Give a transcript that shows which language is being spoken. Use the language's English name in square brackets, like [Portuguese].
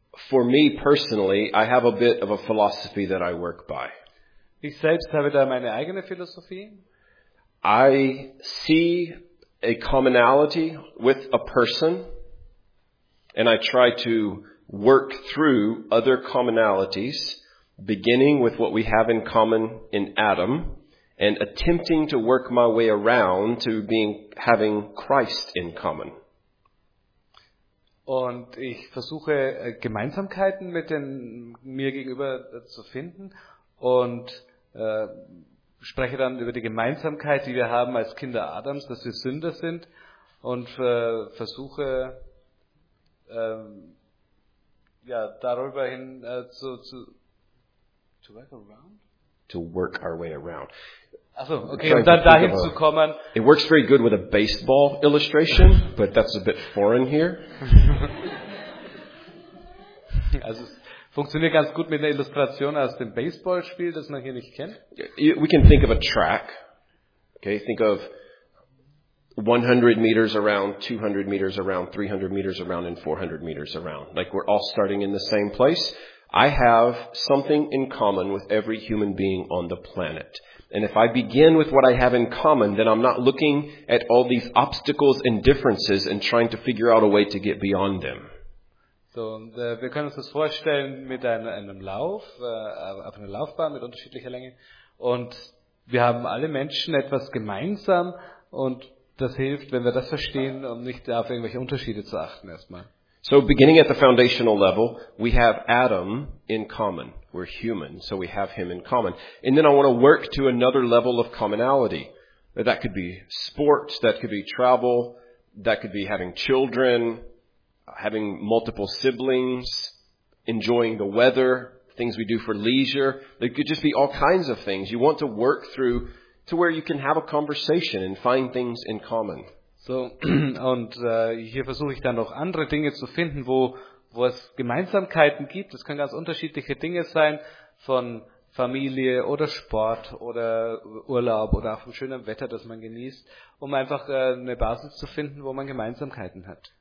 [English] For me personally, I have a bit of a philosophy that I work by. [German] Ich selbst habe da meine eigene Philosophie. [English] I see a commonality with a person and I try to work through other commonalities, beginning with what we have in common in Adam and attempting to work my way around to having Christ in common. [German] Und ich versuche Gemeinsamkeiten mit den mir gegenüber zu finden und spreche dann über die Gemeinsamkeit, die wir haben als Kinder Adams, dass wir Sünder sind, und versuche darüber hin zu [English] work around? To work our way around. [German] Achso, okay, und dann dahin zu kommen. [English] It works very good with a baseball illustration, but that's a bit foreign here. [German] Also, Funktioniert ganz gut mit einer Illustration aus dem Baseballspiel, das man hier nicht kennt. [English] We can think of a track. Okay, think of 100 meters around, 200 meters around, 300 meters around, and 400 meters around. Like we're all starting in the same place. I have something in common with every human being on the planet. And if I begin with what I have in common, then I'm not looking at all these obstacles and differences and trying to figure out a way to get beyond them. [German] So, und wir können uns das vorstellen mit einem Lauf, auf einer Laufbahn mit unterschiedlicher Länge. Und wir haben alle Menschen etwas gemeinsam und das hilft, wenn wir das verstehen, um nicht auf irgendwelche Unterschiede zu achten erstmal. [English] So beginning at the foundational level, we have Adam in common. We're human, so we have him in common. And then I want to work to another level of commonality. That could be sports, that could be travel, that could be having children, having multiple siblings, enjoying the weather, things we do for leisure. There could just be all kinds of things. You want to work through to where you can have a conversation and find things in common. [German] So, und hier versuche ich dann noch andere Dinge zu finden, wo es Gemeinsamkeiten gibt. Das können ganz unterschiedliche Dinge sein, von Familie oder Sport oder Urlaub oder auch vom schönen Wetter, das man genießt, um einfach eine Basis zu finden, wo man Gemeinsamkeiten hat.